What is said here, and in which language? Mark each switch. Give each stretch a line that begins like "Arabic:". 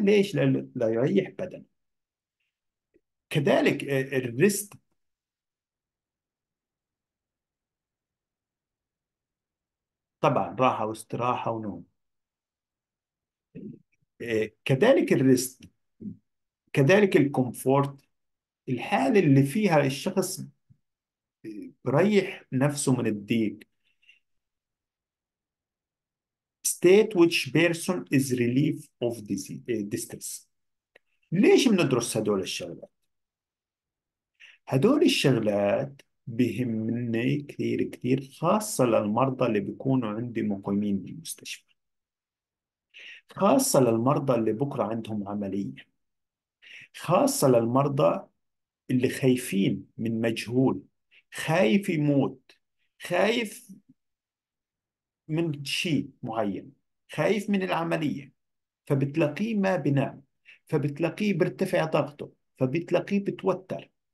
Arabic: ليش؟ لا يريح بدن. كذلك الريست، طبعا راحة واستراحة ونوم. كذلك الريست، كذلك الكومفورت، الحالة اللي فيها الشخص بريح نفسه من الضيق.
English: State which person is relief of distress.
Arabic: ليش بندرس هدول الشغلات؟ هدول الشغلات بهمني كثير كثير، خاصة للمرضى اللي بيكونوا عندي مقيمين بالمستشفى، خاصة للمرضى اللي بكرة عندهم عملية، خاصة للمرضى اللي خايفين من مجهول، خايف يموت، خايف من شيء معين، خايف من العملية، فبتلاقيه ما بنام، فبتلاقيه بيرتفع ضغطه، فبتلاقيه بتوتر.